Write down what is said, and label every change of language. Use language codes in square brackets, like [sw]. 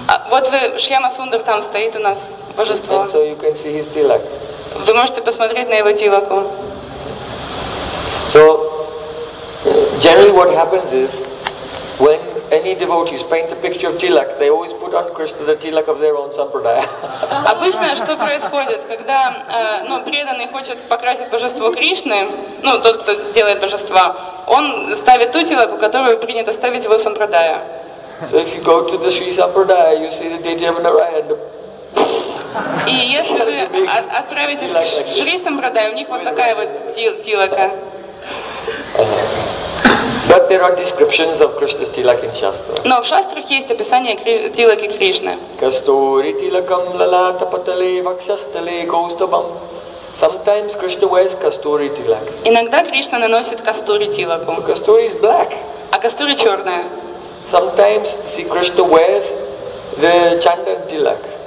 [ru] Вот вы, Шьяма Сундар там стоит у нас, божество. [en] So you can see his tilak. [ru] Вы можете посмотреть на его тилаку. [en] So, generally what happens is, when any devotees paint a picture of tilak, they always put on Krishna the tilak of their own sampradaya. [ru] Обычно что происходит, когда преданный хочет покрасить божество Кришны, ну тот, кто делает божества, он ставит ту тилаку, которую принято ставить в его сампрадая. [en] So if you go to the Sri Sampradaya, you see the deity of Narayana. [ru] И если вы отправитесь к Шри Сампрадая, у них вот такая вот тилака. [en] But there are descriptions of Krishna's tilak in Shastra. [ru] Но в шастрах есть описание тилаки Кришны. [sa] Kasturi tilakam lalata patale vakshastale kaustubam. [en] Sometimes Krishna wears kasturi tilak. [ru] Иногда Кришна наносит кастури тилаку. [en] Kasturi is black. [ru] А кастури черная. [en] Sometimes see Krishna wears the chandan tilak.